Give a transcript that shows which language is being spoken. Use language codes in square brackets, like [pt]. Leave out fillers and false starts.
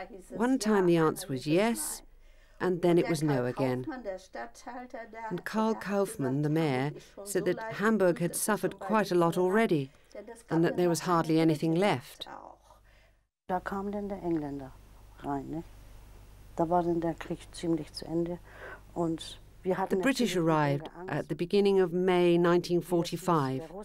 [en] One time the answer was yes, and then it was no again. And Karl Kaufmann, the mayor, said that Hamburg had suffered quite a lot already and that there was hardly anything left. [de] Da kam denn der Engländer rein, ne? Da war denn der Krieg ziemlich zu Ende und [en] the British arrived at the beginning of May 1945.